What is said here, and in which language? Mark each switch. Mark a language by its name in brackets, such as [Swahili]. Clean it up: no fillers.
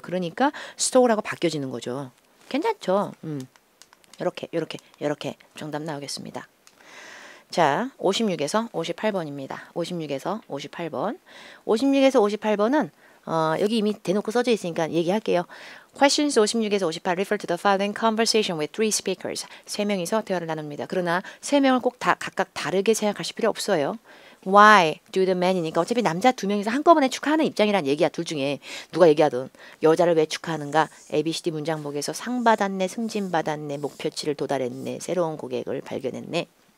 [Korean] 그러니까 store라고 바뀌어지는 거죠. 괜찮죠? 이렇게 이렇게 이렇게 정답 나오겠습니다. 자, 56에서 58번입니다. 56에서 58번. 56에서 58번은 여기 이미 대놓고 써져 있으니까 얘기할게요. [English] Questions 56 에서 58 refer to the following conversation with three speakers. [Korean] 세 명이서 대화를 나눕니다. 그러나 세 명을 꼭 다 각각 다르게 생각하실 필요 없어요. Why do the men 이니까 어차피 남자 두 명이서 한꺼번에 축하하는 입장이란 얘기야. 둘 중에 누가 얘기하든 여자를 왜 축하하는가. ABCD 문장목에서 상 받았네, 승진 받았네, 목표치를 도달했네, 새로운 고객을 발견했네.